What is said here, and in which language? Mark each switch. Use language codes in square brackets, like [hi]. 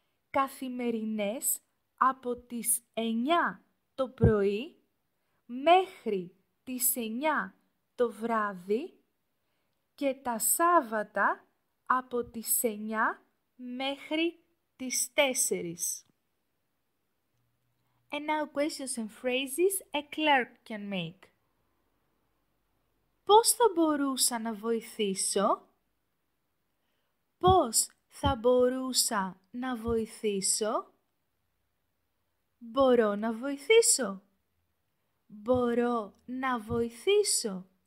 [el] Καθημερινές από τις 9 το πρωί μέχρι τις 9 το βράδυ και τα Σάββατα από τις 9 μέχρι τις 4. [en] And now questions and phrases a clerk can make. [el] Πώς θα μπορούσα να βοηθήσω? Πώς θα μπορούσα να βοηθήσω? Μπορώ να βοηθήσω? Μπορώ να βοηθήσω?